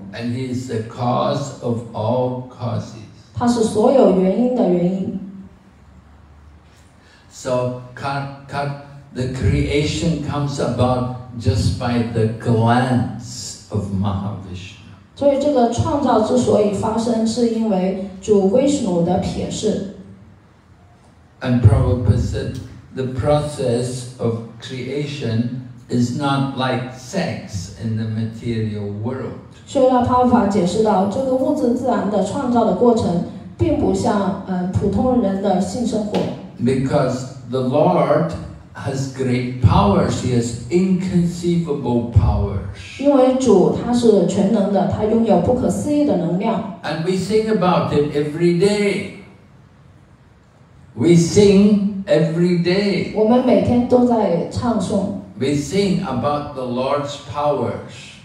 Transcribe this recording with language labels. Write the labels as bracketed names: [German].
[English] And he is the cause of all causes. [Chinese] 他是所有原因的原因。 [English] So, the creation comes about just by the glance of Mahavishnu. [Chinese] 所以这个创造之所以发生，是因为主威士努的瞥视。 [English] And Prabhupada said, the process of creation is not like sex in the material world. [Chinese] 所以他法解释到，这个物质自然的创造的过程，并不像普通人的性生活。 [English] Because the Lord has great powers, he has inconceivable powers. [Chinese] 因为主他是全能的，他拥有不可思议的能量。 [English] And we sing about it every day. We sing every day. [Chinese] 我们每天都在唱诵。 [English] We sing about the Lord's powers.